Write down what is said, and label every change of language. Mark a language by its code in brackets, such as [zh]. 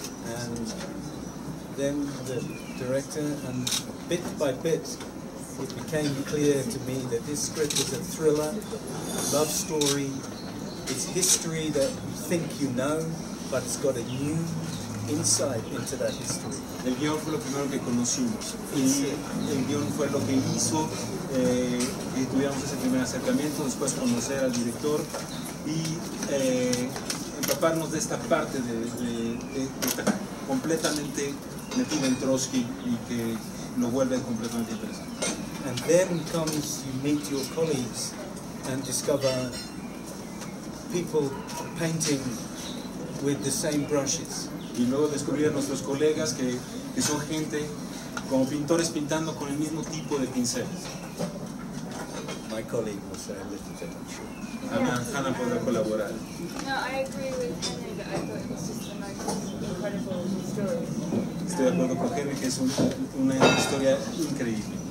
[en] And then the director, and bit by bit, it became clear to me that this script is a thriller, a love story. It's history that you think you know, but it's got a new insight into that history. [es] El guión fue lo primero que conocimos y el guión fue lo que hizo que tuviéramos ese primer acercamiento, después conocer al director y empaparnos de esta parte de estar completamente metido en Trotsky y que lo vuelve completamente interesante. [en] And then comes you meet your colleagues and discover people painting with the same brushes. [es] Y luego descubrir a nuestros colegas que son gente como pintores pintando con el mismo tipo de pinceles. [en] My colleague was a little bit unsure. [es] Hannah podrá colaborar. [en] No, I agree with Henry that I thought it was just the most incredible story. [es] Estoy de acuerdo con Henry que es una historia increíble.